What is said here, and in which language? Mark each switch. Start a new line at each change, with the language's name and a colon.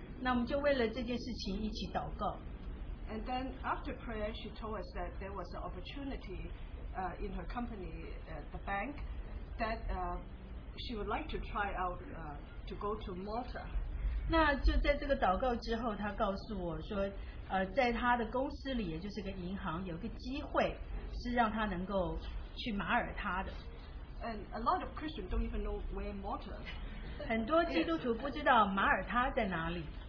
English: And then after prayer, she told us that there was an opportunity in her company, the bank, that she would like to try out to go to Malta.
Chinese: 那就在这个祷告之后，她告诉我说，在她的公司里，也就是个银行，有个机会是让她能够去马耳他的。
English: And a lot of Christians don't even know where Malta is.
Chinese: 很多基督徒不知道马耳他在哪里。